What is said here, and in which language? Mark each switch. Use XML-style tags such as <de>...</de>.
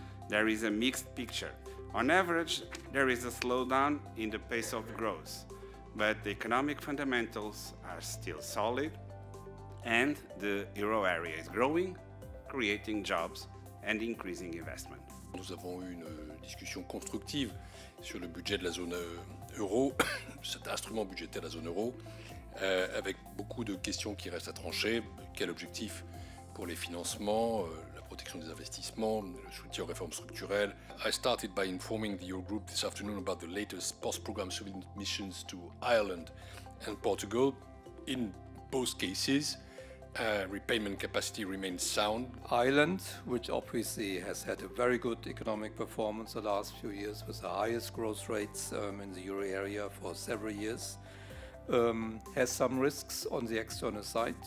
<en>There is a mixed picture. On average, there is a slowdown in the pace of growth, but the economic fundamentals are still solid, and the euro area is growing, creating jobs and increasing investment.</en> <fr>Nous avons eu une discussion constructive sur le budget de la zone euro, cet instrument budgétaire de la zone euro, avec beaucoup de questions qui restent à trancher. Quel objectif pour les financements, la protection des investissements, le soutien aux réformes structurelles.</fr> <en>I started by informing the Eurogroup this afternoon about the latest post-programme surveillance missions to Ireland and Portugal. In both cases, repayment capacity remains sound. Ireland, which obviously has had a very good economic performance the last few years with the highest growth rates in the euro area for several years, has some risks on the external side.</en>